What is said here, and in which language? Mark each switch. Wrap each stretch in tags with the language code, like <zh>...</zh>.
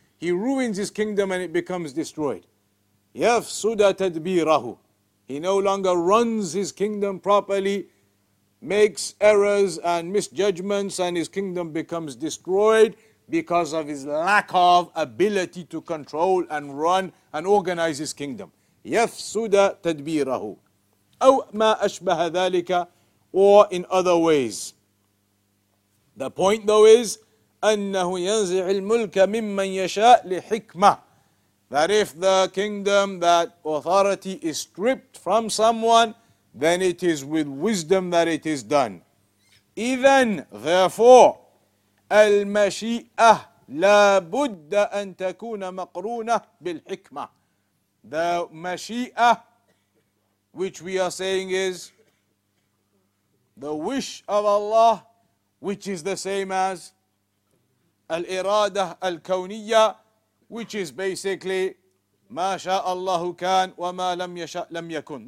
<en>He ruins his kingdom and it becomes destroyed.</en> <ar>Yafsuda tadbirahu.</ar> <en>He no longer runs his kingdom properly. makes errors and misjudgments, and his kingdom becomes destroyed because of his lack of ability to control and run and organize his kingdom.</en> <ar>يفسد تدبيره أو ما أشبه ذلك,</ar> <en>or in other ways. The point though is</en> <ar>أنه ينزع الملك ممن يشاء لحكمة,</ar> <en>that if the kingdom, that authority is stripped from someone, then it is with wisdom that it is done.</en> <ar>إذن,</ar> <en>therefore,</en> <ar>المشيئة لا بد أن تكون مقرونة بالحكمة.</ar> <en>The mashi'a, which we are saying is the wish of Allah, which is the same as al-irada al-kawniyya, which is basically</en> <ar>ma sha'a Allahu kan wa ma lam yasha' lam yakun.</ar>